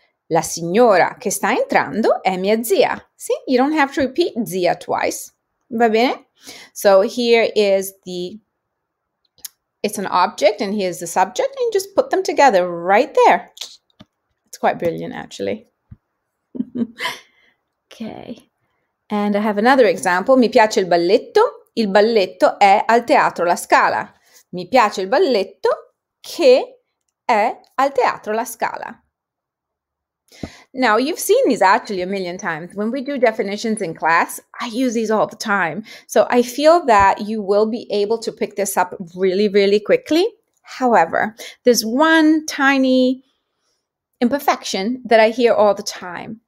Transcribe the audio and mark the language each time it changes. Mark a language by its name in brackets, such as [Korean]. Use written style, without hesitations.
[Italian] La signora che sta entrando è mia zia. [English] See, you don't have to repeat zia twice. [Italian] Va bene? [English] So here is it's an object, and here's the subject, and just put them together right there. It's quite brilliant, actually. Okay. And I have another example. [Italian] Mi piace il balletto. Il balletto è al teatro La Scala. Mi piace il balletto che è al teatro La Scala. [English] Now, you've seen these actually a million times. When we do definitions in class, I use these all the time. So I feel that you will be able to pick this up really, really quickly. However, there's one tiny imperfection that I hear all the time.